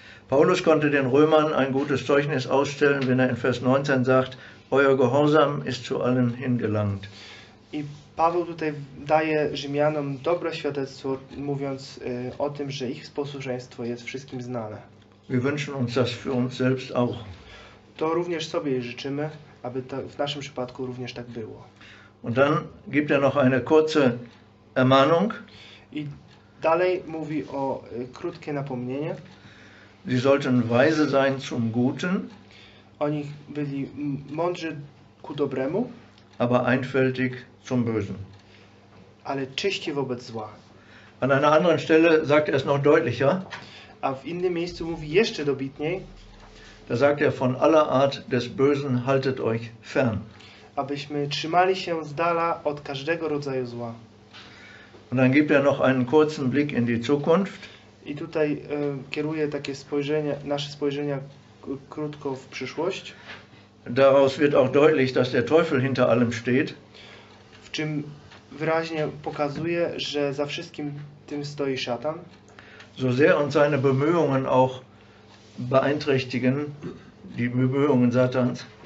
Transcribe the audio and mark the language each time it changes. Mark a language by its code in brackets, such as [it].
[de] Paulus konnte den Römern ein gutes Zeugnis ausstellen, wenn er in Vers 19 sagt, euer Gehorsam ist zu allen hingelangt. [pl] I Paweł tutaj daje Rzymianom dobre świadectwo, mówiąc o tym, że ich posłuszeństwo jest wszystkim znane. [de] Wir wünschen uns das für uns selbst auch. [pl] To również sobie życzymy, aby to w naszym przypadku również tak było. [de] Und dann gibt er noch eine kurze Ermahnung. [pl] I dalej mówi o krótkie napomnienie. [de] Sie sollten weise sein zum Guten. [pl] Oni byli mądrzy ku dobremu. [de] Aber einfältig zum Bösen. [pl] Ale czyści wobec zła. [de] An einer anderen Stelle sagt es noch deutlicher. [pl] A w innym miejscu mówi jeszcze dobitniej. [de] Da sagt von aller Art des Bösen haltet euch fern. [pl] Abyśmy trzymali się z dala od każdego rodzaju zła. [de] Und dann gibt noch einen kurzen Blick in die Zukunft. [pl] I tutaj kieruje takie spojrzenie, nasze spojrzenia krótko w przyszłość. [de] Daraus wird auch deutlich, dass der Teufel hinter allem steht. [pl] W czym wyraźnie pokazuje, że za wszystkim tym stoi szatan. [de] So sehr uns seine Bemühungen auch beeinträchtigen, die Bemühungen Satans.